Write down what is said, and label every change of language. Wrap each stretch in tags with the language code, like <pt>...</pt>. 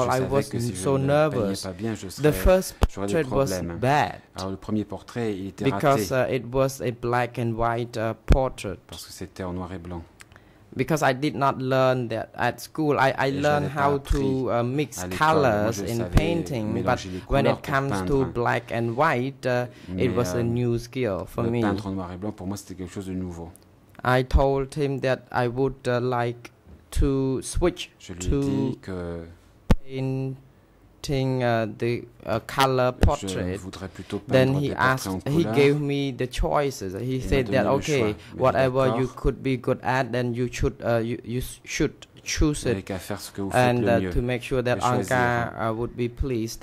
<en>I was so nervous. The first portrait was bad because it was a black and white portrait.</en> <fr>Parce que c'était en noir et blanc.</fr> <en>Because I did not learn that at school. I learned how to mix colors in painting, but when it comes to black and white, it was a new skill for me.</en> <fr>Peindre en noir et blanc, pour moi, c'était quelque chose de nouveau.</fr> <en>I told him that I would like to switch to painting the color portrait. Then he asked, he gave me the choices. He said that okay, whatever you could be good at, then you should you should choose it, and to make sure that Angkor would be pleased.</en>